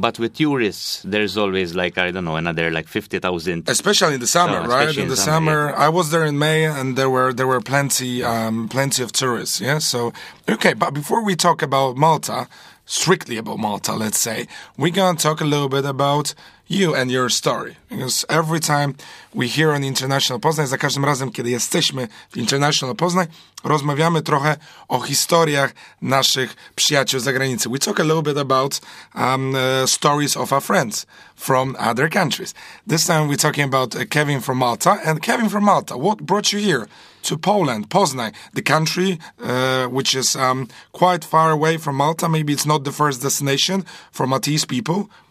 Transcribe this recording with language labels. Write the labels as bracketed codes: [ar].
[en] But with tourists, there's always, like, I don't know, another, like, 50,000. Especially in the summer, so, right? In the summer. I was there in May, and there were plenty of tourists, yeah? So, okay, but before we talk about Malta, strictly about Malta, let's say, we're going to talk a little bit about you and your story. Because every time we hear on International Poznań, [pl] za każdym razem, kiedy jesteśmy w International Poznań, rozmawiamy trochę o historiach naszych przyjaciół za granicą. [en] We talk a little bit about stories of our friends from other countries. This time we're talking about Kevin from Malta. And Kevin from Malta, what brought you here to Poland, Poznań, the country which is quite far away from Malta? Maybe it's not the first destination for Maltese people.